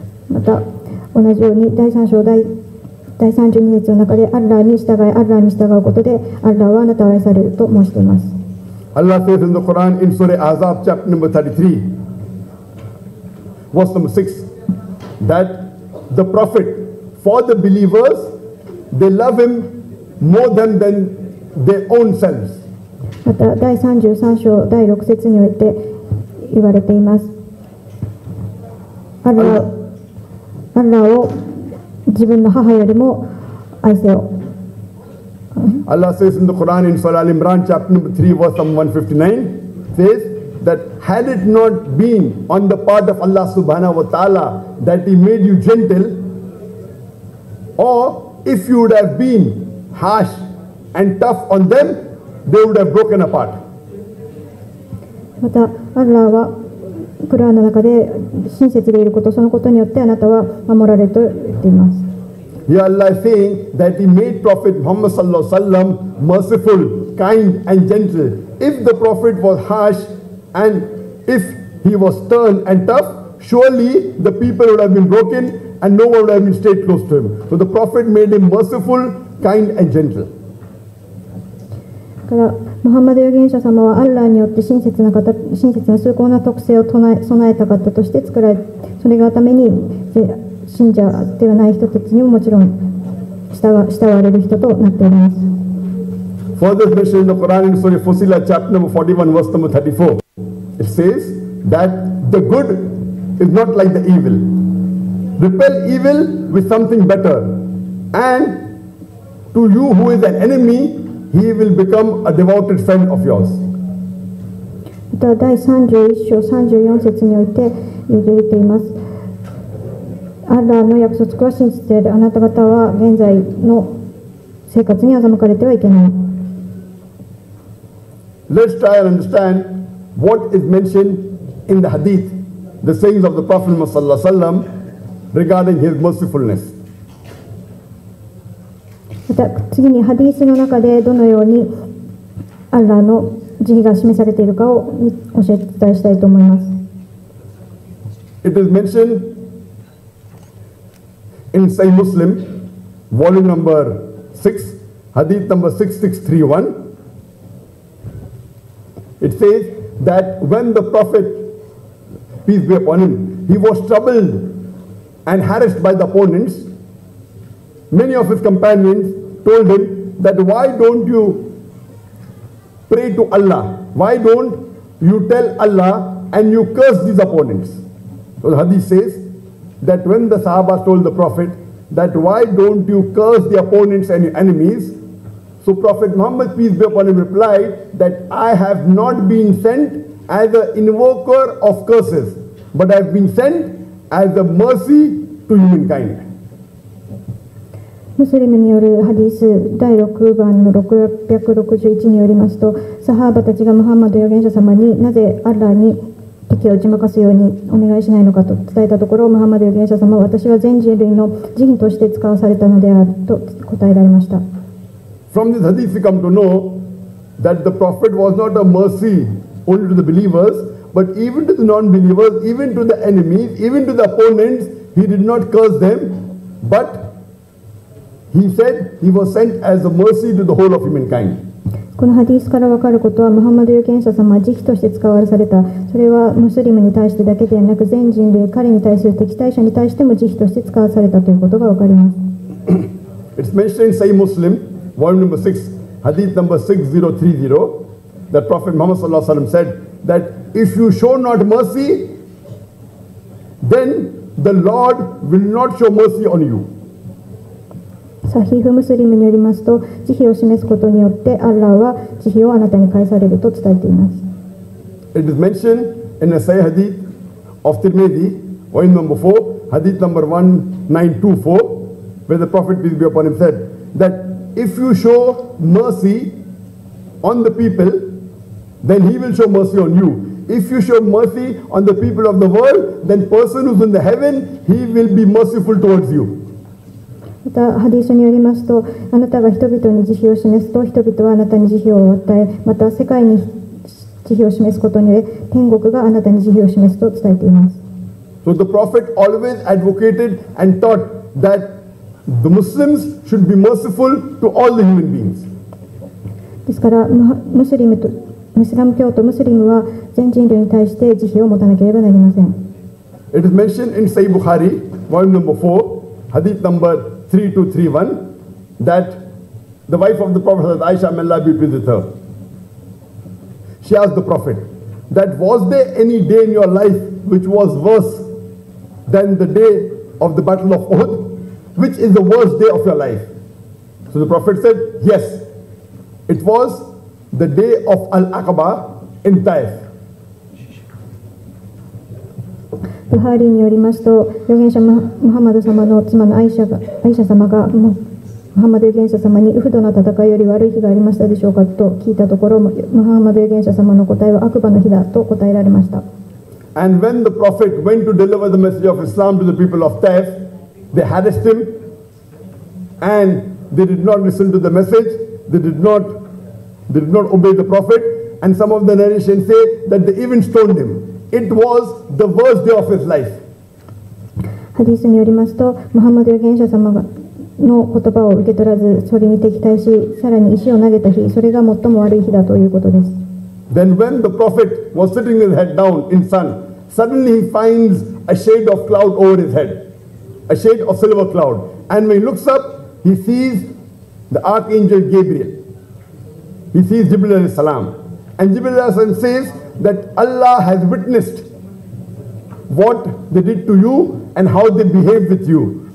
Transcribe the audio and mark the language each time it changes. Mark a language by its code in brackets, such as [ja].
[ja] また同じように第3章 第32節の中でアッラーに従い、アッラーに従うことでアッラーはあなたを愛されると申しています。 [en] Allah says in the Quran in Surah Azab chapter number 33 verse number 6 that the Prophet for the believers they love him more than their own selves. [ja] また第33章第6節において言われています。アッラーを自分の母よりも愛せよ。 [en] Allah says in the Quran in Surah Al-Imran chapter number 3 verse 159 says that had it not been on the part of Allah subhanahu wa ta'ala that he made you gentle or if you would have been harsh and tough on them they would have broken apart. [ja] またアッラーはクルアンの中で親切でいること、そのことによってあなたは守られると言っています。 [en] Here Allah is saying that he made Prophet Muhammad sallallahu alaihi wasallam merciful, kind and gentle. If the Prophet was harsh and if he was stern and tough, surely the people would have been broken and no one would have been stayed close to him. So the Prophet made him merciful, kind and gentle. [ja] からムハンマド預言者様はアッラーによって親切な方、親切な崇高な特性を備えた方として作られ、それがために信者ではない人たちにももちろん慕われる人となっております。 [en] Further mentioned in the Quran in Surah Fusila chapter number 41 verse number 34 it says that the good is not like the evil, repel evil with something better and to you who is an enemy He will become a devoted friend of yours. [ja] また第31章34節において言われています。アッラーの約束は信じている。あなた方は現在の生活に欺かれてはいけない。 [en] Let's try and understand what is mentioned in the hadith, the sayings of the Prophet Muhammad sallallahu alaihi wasallam regarding his mercifulness. [ja] また次にハディースの中でどのようにアッラーの慈悲が示されているかを教えて伝えしたいと思います。 [en] It is mentioned in Sahih Muslim volume number 6 hadith number 6631 it says that when the prophet peace be upon him he was troubled and harassed by the opponents many of his companionsTold him that why don't you pray to Allah? Why don't you tell Allah and you curse these opponents? So the hadith says that when the Sahaba told the Prophet that why don't you curse the opponents and your enemies? So Prophet Muhammad peace be upon him replied that I have not been sent as an invoker of curses, but I have been sent as a mercy to humankind. [ja] ムスリムによるハディス第6番の661によりますと、サハーバたちがムハンマド預言者様になぜアッラーに敵を打ち負かすようにお願いしないのかと伝えたところ、ムハンマド預言者様は私は全人類の人として使わされたのであると答えられました。 [en] From this hadith we come to know that the prophet was not a mercy only to the believers but even to the non-believers, even to the enemies, even to the opponents, he did not curse them but he said he was sent as a mercy to the whole of humankind。 [ja] このハディスから分かることは、ムハンマド預言者様は慈悲として使われされた。それはムスリムに対してだけではなく、全人類、彼に対する敵対者に対しても慈悲として使わされたということが分かります。 [en] It's mentioned in Sahih Muslim, volume number 6, hadith number 6030, that Prophet Muhammad sallallahu alaihi wasallam said that if you show not mercy, then the Lord will not show mercy on you. [ja] サヒフムスリムによりますと、慈悲を示すことによってアッラーは慈悲をあなたに返されると伝えています。 [en] It is mentioned in a Sahih hadith of Tirmidhi, volume number 4, hadith number 1924, where the Prophet peace be upon him said that if you show mercy on the people, then he will show mercy on you. If you show mercy on the people of the world, then person who's in the heaven, he will be merciful towards you. [ja] またハディスによりますと、あなたが人々に慈悲を示すと、人々はあなたに慈悲を与え、また世界に慈悲を示すことにより、天国があなたに慈悲を示すと伝えています。 [en] So the Prophet always advocated and taught that the Muslims should be merciful to all the human beings. [ja] ですから、ムスラム教徒ムスリムは全人類に対して慈悲を持たなければなりません。 [en] It is mentioned in Sahih Bukhari, volume number 4, hadith number 3231, that the wife of the Prophet, Aisha, may Allah be pleased with her. She asked the Prophet, that was there any day in your life which was worse than the day of the Battle of Uhud? Which is the worst day of your life? So the Prophet said, yes, it was the day of Al-Aqaba in Taif. [ja] ブハーリーによりますと、預言者ムハンマド様の妻のアイシャ様がムハンマド預言者様にウフドの戦いより悪い日がありましたでしょうかと聞いたところ、ムハンマド預言者様の答えはアクバの日だと答えられました。 [en] And when the Prophet went to deliver the message of Islam to the people of Taif, they harassed him and they did not listen to the message, they did not obey the Prophet, and some of the narrations say that they even stoned him. It was the worst day of his life. [ja] ハディスによりますと、ムハンマド預言者様の言葉を受け取らず、それに敵対し、さらに石を投げた日、それが最も悪い日だということです。 [en] Then when the prophet was sitting his head down in sun, suddenly he finds a shade of cloud over his head, a shade of silver cloud. And when he looks up, he sees the archangel Gabriel. He sees Jibril alayhi salam. And Jibril alayhi salam says,that Allah has witnessed what they did to you and how they behaved with you.